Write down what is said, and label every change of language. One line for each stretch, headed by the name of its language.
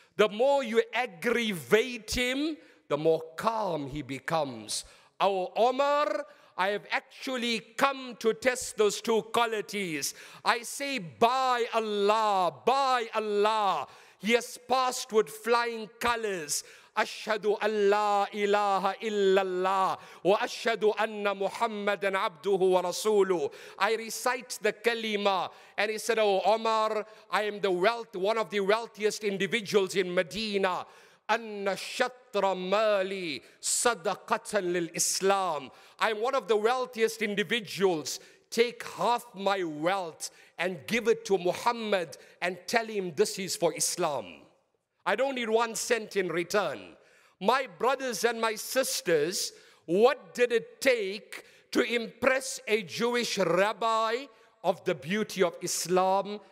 English: The more you aggravate him, the more calm he becomes. Oh Umar, I have actually come to test those two qualities. I say, by Allah, by Allah. He has passed with flying colors.
Arabic: أشهد أن لا إله إلا الله وأشهد أن محمدا عبده ورسوله.
English: I recite the kalima and he said, oh Omar, I am one of the wealthiest individuals in Medina.
Arabic: أن الشطر مالي صدقة للإسلام.
English: I am one of the wealthiest individuals. Take half my wealth and give it to Muhammad and tell him this is for Islam. I don't need 1 cent in return. My brothers and my sisters, what did it take to impress a Jewish rabbi of the beauty of Islam?